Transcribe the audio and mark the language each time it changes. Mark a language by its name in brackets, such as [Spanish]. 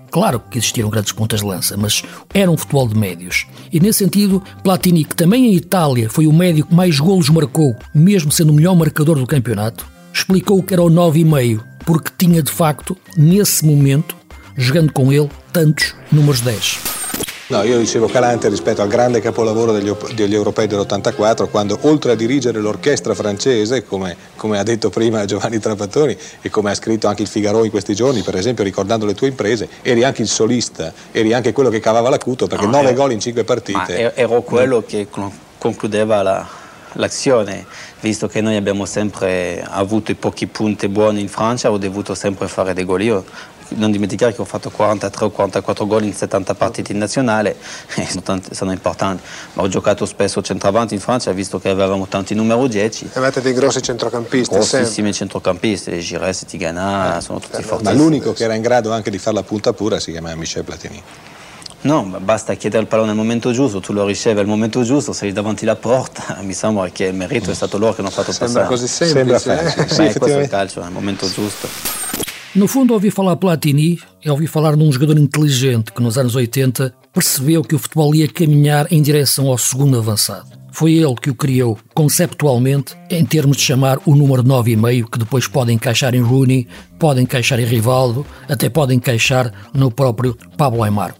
[Portuguese] Claro que existiram grandes pontas de lança, mas era um futebol de médios. E nesse sentido, Platini, que também em Itália foi o médio que mais golos marcou, mesmo sendo o melhor marcador do campeonato, explicou que era o 9,5, porque tinha de facto, nesse momento, jogando com ele, tantos números 10. [Italian] No, io dicevo calante rispetto al grande capolavoro degli europei dell'84, quando oltre a dirigere l'orchestra francese, come ha detto prima Giovanni Trapattoni e come ha scritto anche il Figaro in questi giorni, per esempio ricordando le tue imprese, eri anche il solista, eri anche quello che cavava l'acuto, perché nove gol in cinque partite. Ma ero quello che concludeva l'azione, visto che noi abbiamo sempre avuto i pochi punti buoni in Francia, ho dovuto sempre fare dei gol io. Non dimenticare che ho fatto 43 o 44 gol in 70 partite in nazionale, sono importanti, ma ho giocato spesso centravanti in Francia, visto che avevamo tanti numero 10. Avete dei grossi centrocampisti? Grossissimi centrocampisti, Gerrès, Tigana, sono tutti fortissimi. Ma l'unico che era in grado anche di fare la punta pura si chiama Michel Platini. No, basta chiedere il pallone al momento giusto, tu lo ricevi al momento giusto, sei davanti alla porta, mi sembra che il merito è stato loro che hanno fatto sembra passare. Sembra così semplice. Sembra facile. Sì, ma è questo il calcio, è il momento giusto. [Portuguese] No fundo, ouvi falar Platini e ouvi falar num jogador inteligente que nos anos 80 percebeu que o futebol ia caminhar em direção ao segundo avançado. Foi ele que o criou conceptualmente em termos de chamar o número 9,5, que depois pode encaixar em Rooney, pode encaixar em Rivaldo, até pode encaixar no próprio Pablo Aimar.